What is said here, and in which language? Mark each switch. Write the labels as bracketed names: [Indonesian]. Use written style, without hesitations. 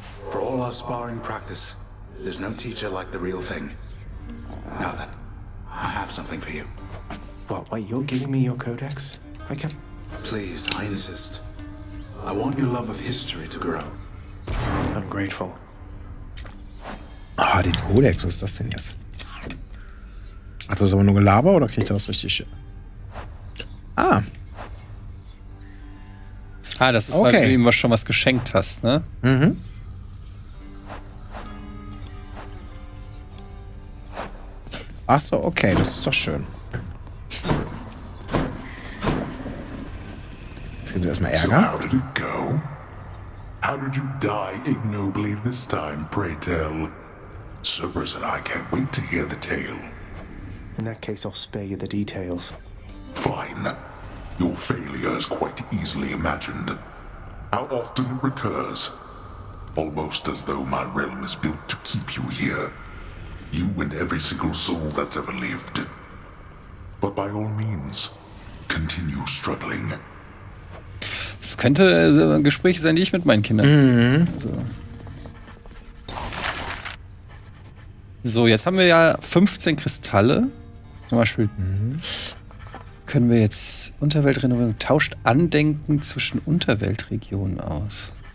[English] For all our sparring practice. There's no teacher like the real thing. Now then, I have something for you. What, wait, you're giving me your codex? I can... Please, I insist. I want your love of history to grow. I'm grateful. [German] Ah, oh, den Codex, was ist das denn jetzt? Hat das aber nur Gelaber oder kriegt er was richtig schön? Ah. Ah, das ist, okay. Weil du ihm schon was geschenkt hast, ne? Mhm. Ach so, okay, das ist doch schön. Es gibt erstmal Ärger. [English] So, how did it go? How did you die ignobly this time, pray tell? Cerberus and I can't wait to hear the tale. In that case, I'll spare you the details. Fine. Your failure is quite easily imagined. How often it recurs? Almost as though my realm is built to keep you here. You and every single soul that's ever lived. But by all means, continue struggling. [German] Das könnte ein Gespräch sein, die ich mit meinen Kindern. Mhm. So, jetzt haben wir ja 15 Kristalle. Zum Beispiel können wir jetzt Unterweltrenovierung tauscht Andenken zwischen Unterweltregionen aus.